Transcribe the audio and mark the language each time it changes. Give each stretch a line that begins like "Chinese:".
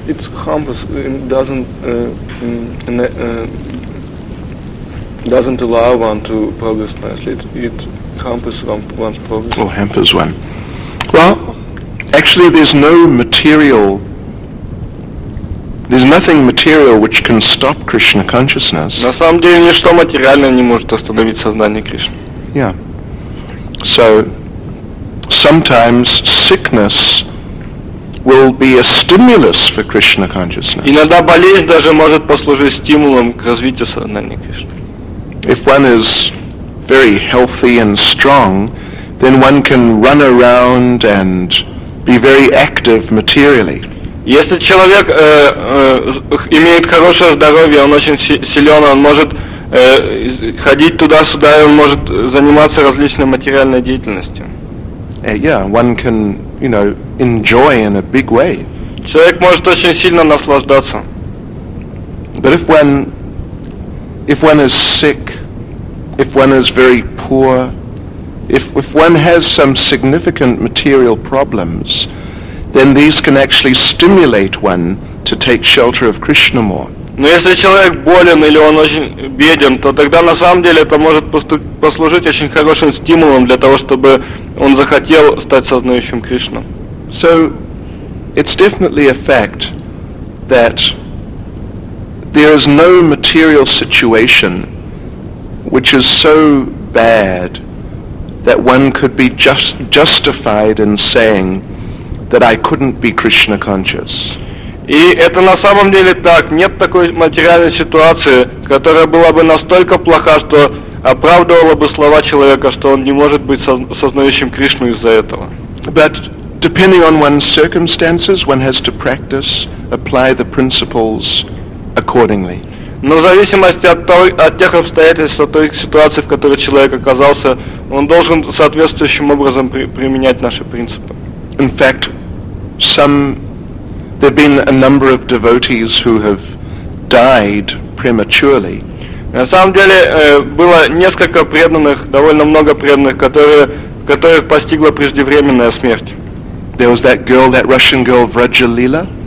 English: It's humbles, doesn't allow one to progress nicely. It hampers one's progress. Oh, hampers one. Well, actually, there's no material. There's nothing material which can stop Krishna consciousness.
Russian: На самом деле ничто материальное не может остановить сознание Кришны.
English: Yeah. So sometimes sickness will be a stimulus for Krishna consciousness.
Russian: Иногда болезнь даже может послужить стимулом к развитию сознания Кришны.
English: If one is very healthy and strong, then one can run around and be very active materially.
Russian: Если человек имеет хорошее здоровье, он очень силен, он может ходить туда-сюда, и он может заниматься различной материальной деятельностью.
English: Yeah, one can, you know, enjoy in a big way.
Russian: Человек может очень сильно наслаждаться.
English: But if one is sick, if one is very poor, if one has some significant material problems, then these can actually stimulate one to take shelter of Krishna more.
Russian: Но если человек болен или он очень беден, то тогда на самом деле это может послужить очень хорошим стимулом для того, чтобы он захотел стать сознающим Кришну.
English: So it's definitely a fact that there is no material situation which is so bad that one could be justified in saying that I couldn't be Krishna conscious.
Russian: И это на самом деле так. Нет такой материальной ситуации, которая была бы настолько плоха, что оправдывала бы слова человека, что он не может быть сознающим Кришну из-за этого.
English: But depending on one's circumstances, one has to practice, apply the principles accordingly.
Russian: Но в зависимости от тех обстоятельств, от той ситуации, в которой человек оказался, он должен соответствующим образом применять наши принципы.
English: In fact, there have been a number of devotees who have died prematurely.
Russian: На самом деле было несколько преданных, довольно много преданных, которых постигла преждевременная смерть.
English: There was that girl, that Russian girl, Vrajalila.